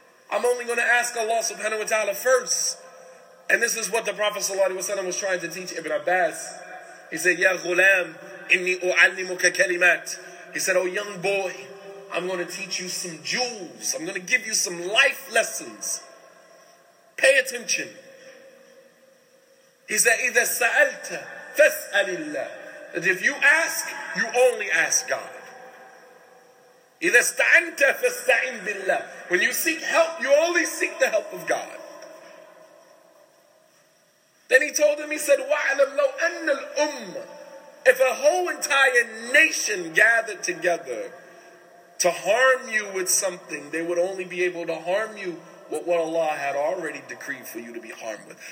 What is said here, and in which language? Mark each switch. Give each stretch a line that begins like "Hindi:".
English: I'm only going to ask Allah subhanahu wa ta'ala first. And this is what the Prophet sallallahu alaihi wasallam was trying to teach Ibn Abbas.
Arabic: He said, Ya ghulam, inni u'allimuka kalimat.
English: He said, oh young boy, I'm going to teach you some jewels. I'm going to give you some life lessons. Pay attention. He said,
Arabic: إذا سألت فاسأل الله.
English: That if you ask, you only ask God.
Arabic: إذا استعنت فاستعن بالله.
English: When you seek help, you only seek the help of God. Then he told him, he said,
Arabic: وَعَلَمْ لَوْ أَنَّ الْأُمَّ.
English: If a whole entire nation gathered together to harm you with something, they would only be able to harm you with what Allah had already decreed for you to be harmed with.